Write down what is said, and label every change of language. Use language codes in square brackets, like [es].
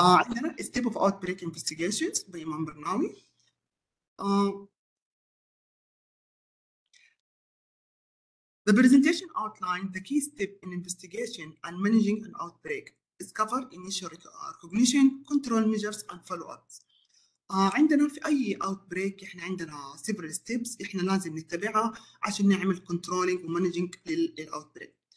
[en] عندنا step of outbreak investigations by Iman Barnawi. The presentation outlined the key step in investigation and managing an outbreak. It's covered initial recognition, control measures, and follow-ups. [ar] عندنا في أي outbreak إحنا عندنا [en] several steps [ar] إحنا لازم نتبعها عشان نعمل [en] controlling and managing [ar] لل outbreak.